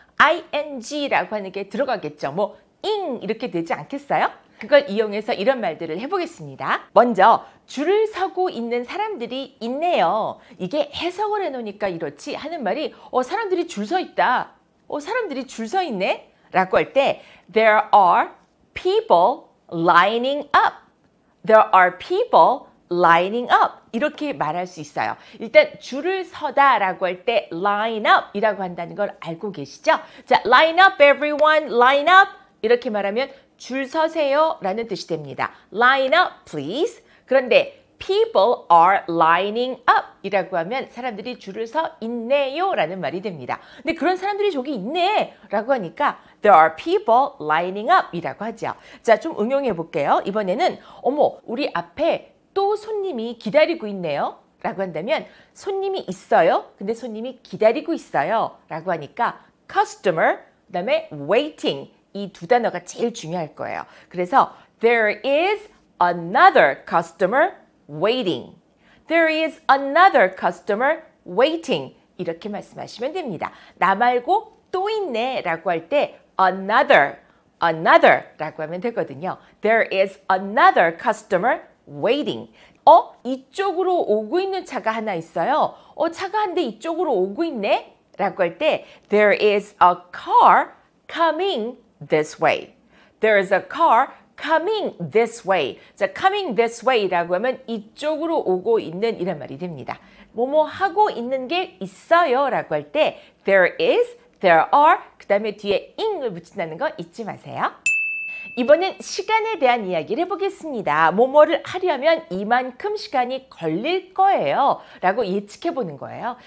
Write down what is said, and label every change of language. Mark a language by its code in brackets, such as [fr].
[ko] ing라고 하는 게 들어가겠죠. 뭐 ing 이렇게 되지 않겠어요? 그걸 이용해서 이런 말들을 해보겠습니다. 먼저 줄을 서고 있는 사람들이 있네요. 이게 해석을 해놓으니까 이렇지 하는 말이 사람들이 줄서 있다. 사람들이 줄서 있네? 라고 할 때, [en] There are people lining up. There are people lining up. [ko] 이렇게 말할 수 있어요. 일단 줄을 서다라고 할때 line up이라고 한다는 걸 알고 계시죠? [en] 자, line up, everyone, line up. [ko] 이렇게 말하면 줄 서세요라는 뜻이 됩니다. [en] Line up, please. [ko] 그런데 [en] people are lining up [ko] 이라고 하면 사람들이 줄을 서 있네요라는 말이 됩니다. 근데 그런 사람들이 저기 있네라고 하니까 [en] there are people lining up [ko] 이라고 하죠. 자, 좀 응용해 볼게요. 이번에는 어머, 우리 앞에 또 손님이 기다리고 있네요라고 한다면 손님이 있어요. 근데 손님이 기다리고 있어요라고 하니까 customer 그다음에 waiting 이두 단어가 제일 중요할 거예요. [en] 그래서 there is another customer waiting. There is another customer waiting. [ko] 이렇게 말씀하시면 됩니다. 나 말고 또 있네라고 할때 another라고 하면 되거든요. [en] There is another customer waiting. [ko] 이쪽으로 오고 있는 차가 하나 있어요. 차가 한대 이쪽으로 오고 있네라고 할 때, [en] There is a car coming this way. There is a car coming this way. [ko] 자, [en] coming this way [ko] 라고 하면 이쪽으로 오고 있는 이런 말이 됩니다. 뭐뭐 하고 있는 게 있어요라고 할 때, There is, there are, 그다음에 뒤에 ing을 붙인다는 거 잊지 마세요. 이번엔 시간에 대한 이야기를 해보겠습니다. 뭐뭐를 하려면 이만큼 시간이 걸릴 거예요 라고 예측해 보는 거예요.